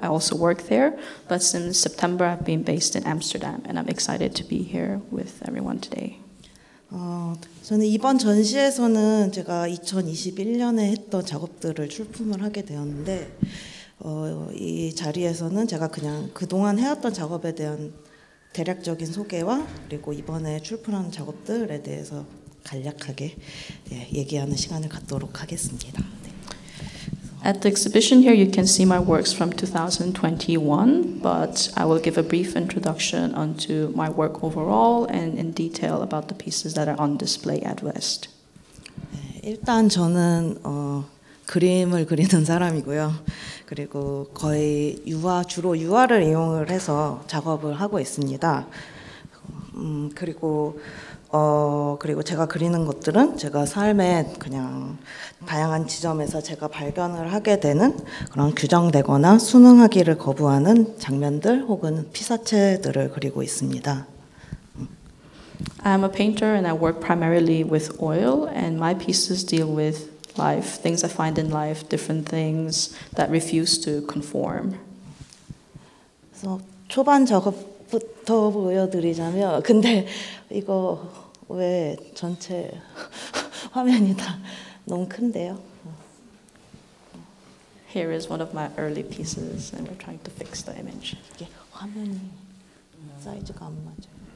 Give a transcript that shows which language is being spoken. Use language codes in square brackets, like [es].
[en] I also work there, but since September, I've been based in Amsterdam, and I'm excited to be here with everyone today. [ko] 저는 이번 전시에서는 제가 2021년에 했던 작업들을 출품을 하게 되었는데 이 자리에서는 제가 그냥 그동안 해왔던 작업에 대한 대략적인 소개와 그리고 이번에 출품한 작업들에 대해서 간략하게 얘기하는 시간을 갖도록 하겠습니다. [en] At the exhibition here, you can see my works from 2021, but I will give a brief introduction onto my work overall and in detail about the pieces that are on display at West. [ko] 일단 저는 그림을 그리는 사람이고요. 그리고 거의 주로 유화를 이용을 해서 작업을 하고 있습니다. 그리고 제가 그리는 것들은 제가 삶의 그냥 다양한 지점에서 제가 발견을 하게 되는 그런 규정되거나 순응하기를 거부하는 장면들 혹은 피사체들을 그리고 있습니다. [en] I'm a painter and I work primarily with oil and my pieces deal with life, things I find in life, different things that refuse to conform. [ko] 그래서 초반 작업부터 보여드리자면 근데 이거 왜 전체 화면이 다 너무 큰데요? [en] Here is one of my early pieces, and we're trying to fix the image. [ko] 이게 화면이 사이즈가 안 맞아요.